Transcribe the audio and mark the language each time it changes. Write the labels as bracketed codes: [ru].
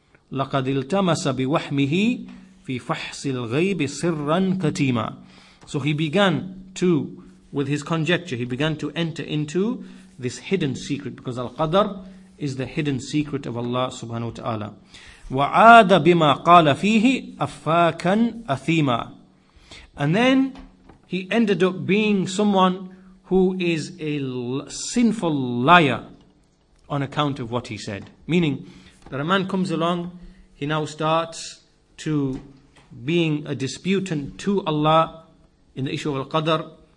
[ar] لَقَدْ الْتَمَسَ بِوَحْمِهِ فِي فَحْصِ الْغَيْبِ سِرًّا كَتِيمًا. [en] So he began to, with his conjecture, he began to enter into this hidden secret, because Al-Qadr is the hidden secret of Allah subhanahu wa ta'ala. [ar] وَعَادَ بِمَا قَالَ فِيهِ أَفَّاكًا أَثِيمًا. [en] And then he ended up being someone who is a sinful liar on account of what he said. Meaning that a man comes along, he now starts to being a disputant to Allah in the issue of Al-Qadr.